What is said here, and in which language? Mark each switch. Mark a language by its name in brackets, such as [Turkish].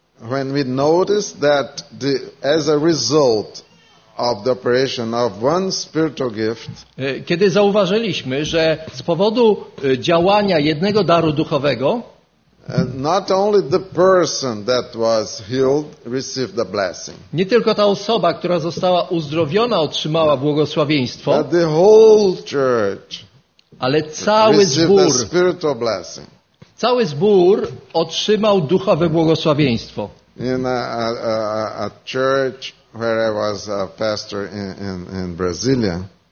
[English] When we noticed that the, as a result of the operation of one spiritual gift. [Polish] Kiedy zauważyliśmy, że z powodu działania jednego daru duchowego, [English] not only the person that was healed received the blessing. [Polish] Nie tylko ta osoba, która została uzdrowiona, otrzymała błogosławieństwo. [English] But the whole church. [Polish] Ale cały zbór, [English] the spiritual blessing. [Polish] Cały zbór otrzymał duchowe błogosławieństwo. [English] In a church where I was a pastor in Brasilia.